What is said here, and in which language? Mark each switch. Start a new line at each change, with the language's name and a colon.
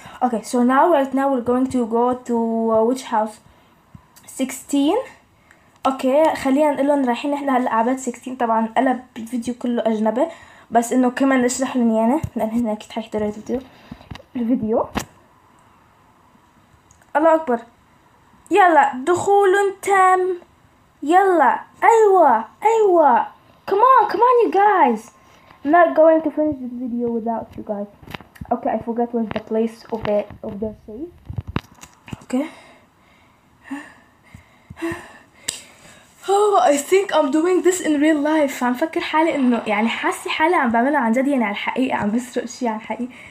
English: Okay, so now, right now, we're going to go to which house? 16.
Arabic: Okay, خلينا نقلهم رايحين احنا هلا عباد 16. طبعا قلب الفيديو كله أجنبي, بس إنه كمان نشرح لهم يعني, لأن هنا كنت حيحضروا الفيديو. الله أكبر. يلا, دخول تام. يلا, أيوة.
English: Come on, you guys. I'm not going to finish the video without you guys. Okay, I forgot where's the place of the safe. Okay. Oh, I think I'm doing this in real life.
Arabic: عم فكر حالي إنه يعني حاسة حالي عم بعمله عن جد يعني على الحقيقة, عم بسرق شيء على الحقيقة.